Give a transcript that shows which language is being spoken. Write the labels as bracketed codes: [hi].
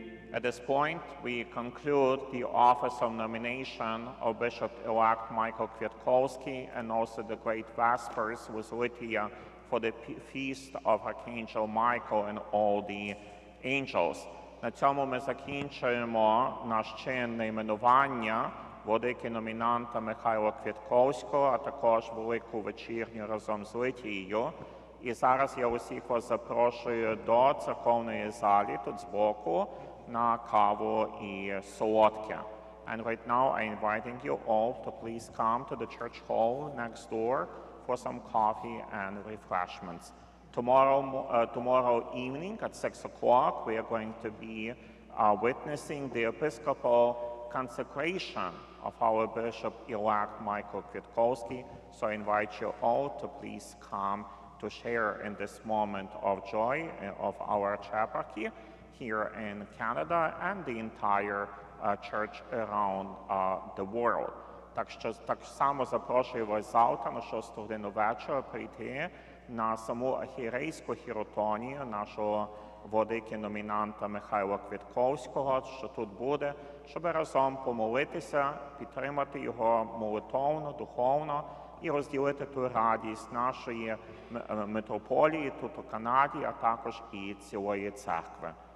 [en] At this point, we conclude the office of nomination of Bishop-elect Michael Kwiatkowski and also the Great Vespers with Lydia for the Feast of Archangel Michael and all the angels. [uk] На цьому ми закінчуємо наш чин найменування Владики номінанта Михайла Квятковського, а також Велику вечірню разом з Литією. І зараз я усіх вас запрошую до церковної залі тут збоку на каву і солодке. [en] And right now I'm inviting you all to please come to the church hall next door for some coffee and refreshments. Tomorrow evening at 6 o'clock we are going to be witnessing the episcopal consecration of our bishop-elect Michael Kwiatkowski, so I invite you all to please come to share in this moment of joy of our chaparchy here in Canada and the entire church around the world. [uk] Так само запрошую вас завтра на 6 годину вечора прийти на саму архієрейську хіротонію нашого владики номінанта Михайла Квятковського, що тут буде, щоб разом помолитися, підтримати його молитовно, духовно і розділити ту радість нашої митрополії тут у Канаді, а також і цілої церкви.